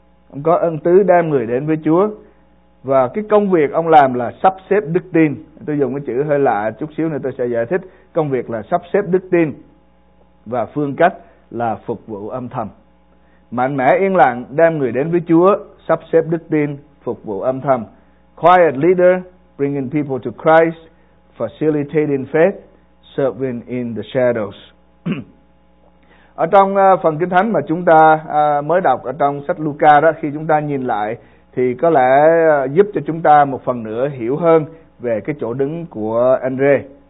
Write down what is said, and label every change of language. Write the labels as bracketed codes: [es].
[vi] Ông có ân tứ đem người đến với Chúa. Và cái công việc ông làm là sắp xếp đức tin. Tôi dùng cái chữ hơi lạ, chút xíu nữa tôi sẽ giải thích. Công việc là sắp xếp đức tin. Và phương cách là phục vụ âm thầm. Mạnh mẽ yên lặng, đem người đến với Chúa, sắp xếp đức tin, phục vụ âm thầm. [en] Quiet leader, bringing people to Christ, facilitating faith, serving in the shadows. [vi] Ở trong phần Kinh Thánh mà chúng ta mới đọc ở trong sách Luca đó, khi chúng ta nhìn lại thì có lẽ giúp cho chúng ta một phần nữa hiểu hơn về cái chỗ đứng của Andre.